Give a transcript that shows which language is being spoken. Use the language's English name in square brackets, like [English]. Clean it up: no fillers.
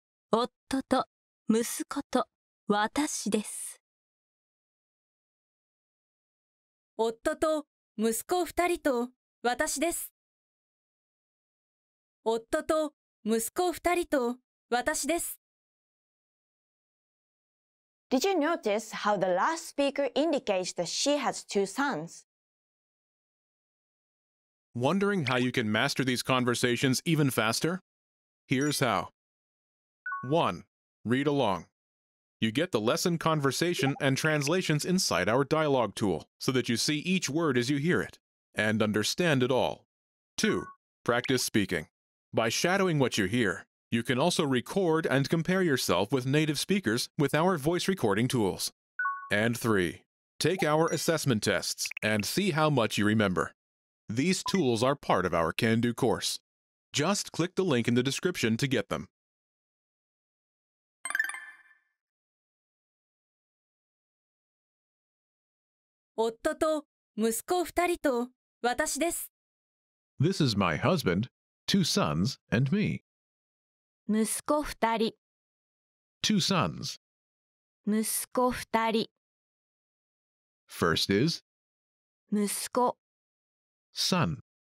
[Japanese] 夫と息子と私です。夫と息子二人と私です。夫と息子二人と私です。 [English] Did you notice how the last speaker indicates that she has two sons? Wondering how you can master these conversations even faster? Here's how. 1. Read along. You get the lesson conversation and translations inside our dialogue tool so that you see each word as you hear it and understand it all. 2. Practice speaking. By shadowing what you hear, you can also record and compare yourself with native speakers with our voice recording tools. And 3. Take our assessment tests and see how much you remember. These tools are part of our Can-Do course. Just click the link in the description to get them. [Japanese] 夫と息子二人と私です。 [English] This is my husband, two sons, and me. [Japanese] 息子二人。 [English] Two sons. [Japanese] 息子二人。 [English] First is? [Japanese] 息子。 [English] Son.